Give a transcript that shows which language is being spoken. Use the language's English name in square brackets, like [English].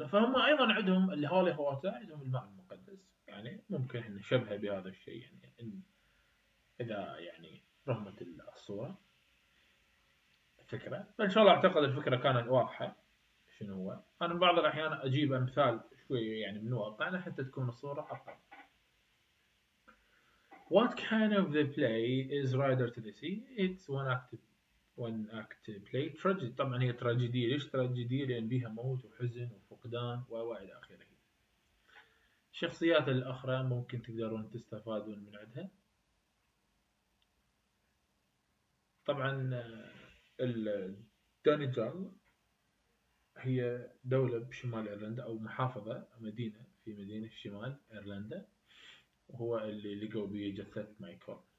[Arabic] فهم ايضا عندهم الهولي ووتر، عندهم الماء المقدس، يعني ممكن ان نشبهه بهذا الشيء يعني إن اذا يعني رهمت الصوره فكره. فان شاء الله اعتقد الفكره كانت واضحه شنو هو. انا بعض الاحيان اجيب امثال شوي يعني من الواقع حتى تكون الصوره اقرب. [English] What kind of the play is Rider to the Sea? It's one act play tragedy. [Arabic] طبعا هي تراجيدي. ليش تراجيدي؟ لان بيها موت وحزن وفقدان ووعد اخره. الشخصيات الاخرى ممكن تقدرون تستفادون من عندها. طبعا الدونيجال هي دولة بشمال ايرلندا او محافظة مدينة في مدينة شمال ايرلندا، وهو اللي لقوا بيه جثة مايكل.